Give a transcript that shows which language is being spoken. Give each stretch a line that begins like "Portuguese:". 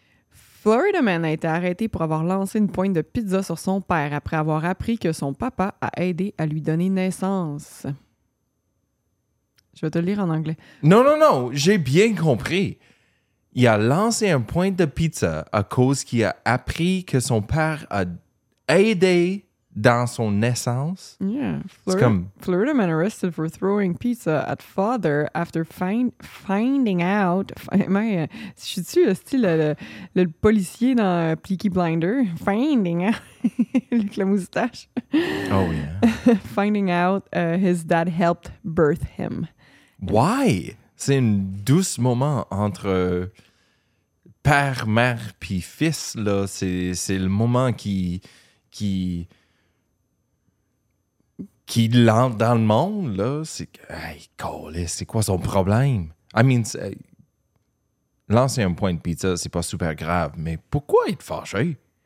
French: Florida Man a été arrêté pour avoir lancé une pointe de pizza sur son père après avoir appris que son papa a aidé à lui donner naissance. Je vais te le lire en anglais. Non, j'ai bien compris. Il a lancé un point de pizza à cause qu'il a appris que son père a aidé dans son naissance.
English: Yeah. Florida man arrested for throwing pizza at father after finding out.
French: Suis-tu le style le policier dans Peaky Blinder?
English: Finding out.
French: Avec la moustache.
English: Oh, yeah. Finding out his dad helped birth him. Why?
French: C'est un doux moment entre père, mère puis fils là. C'est le moment qui l'entre dans le monde là. C'est hey, calé, c'est quoi son problème?
English: I mean,
French: lancer un point de pizza, c'est pas super grave, mais pourquoi être fâché?